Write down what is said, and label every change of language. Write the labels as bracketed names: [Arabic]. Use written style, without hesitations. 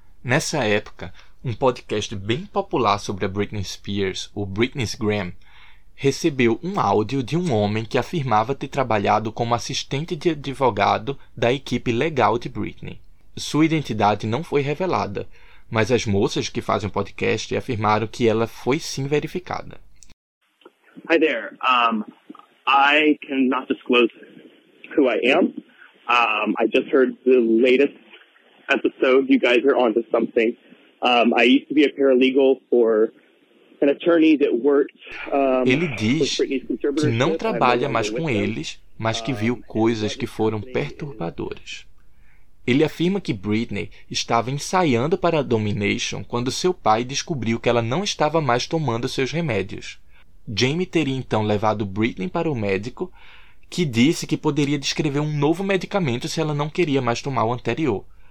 [Portuguese] Nessa época, um podcast bem popular sobre a Britney Spears, o Britney's Graham, recebeu um áudio de um homem que afirmava ter trabalhado como assistente de advogado da equipe legal de Britney. Sua identidade não foi revelada, mas as moças que fazem o podcast afirmaram que ela foi sim verificada. [English] Hi there. I cannot disclose who I am. I just heard the latest episode. You guys are onto something. I used to be a paralegal for an attorney that worked. [Portuguese] Ele diz que não trabalha mais com eles, mas que viu coisas que foram perturbadoras. Ele afirma que Britney estava ensaiando para a Domination quando seu pai descobriu que ela não estava mais tomando seus remédios. Jamie teria então levado Britney para o médico, que disse que poderia descrever um novo medicamento se ela não queria mais tomar o anterior.